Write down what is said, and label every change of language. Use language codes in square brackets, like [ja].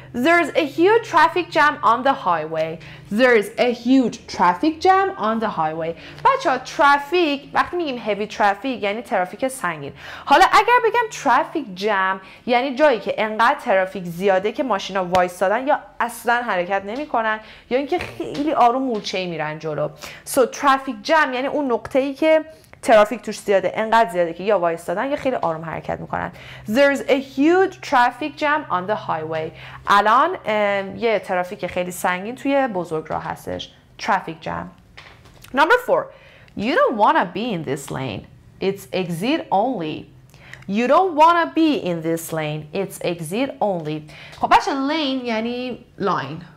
[en] There's a huge traffic jam on the highway. There's a huge traffic jam on the highway. [fa] بچه ها ترافیک، وقتی میگیم [en] heavy traffic [fa] یعنی ترافیک سنگین. حالا اگر بگم [en] traffic jam [fa] یعنی جایی که انقدر ترافیک زیاده که ماشینا وایستادن یا اصلا حرکت نمی کنن، یا اینکه خیلی آروم مورچه میرن جلو. [en] So traffic jam [fa] یعنی اون نقطه ای که ترافیک توش زیاده، انقدر زیاده که یا وایستادن یا خیلی آروم حرکت میکنن. [en] There's a huge traffic jam on the highway. [fa] الان یه ترافیک خیلی سنگین توی بزرگراه هستش. [en] Traffic jam. Number four. You don't wanna be in this lane. It's exit only. You don't wanna be in this lane. It's exit only. [fa] خب بچه [en] lane یعنی line.